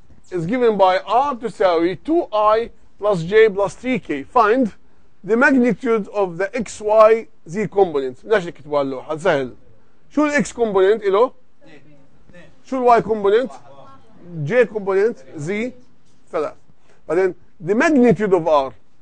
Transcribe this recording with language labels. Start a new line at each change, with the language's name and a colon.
English: It's given by R تساوي 2i plus j plus 3k. Find the magnitude of the xy z component.
Arabic: بدناش نكتبه على اللوحة، سهل. شو الـ x component له؟ شو الواي كومبوننت؟ جي كومبوننت، زي 3.
English: بعدين the magnitude of r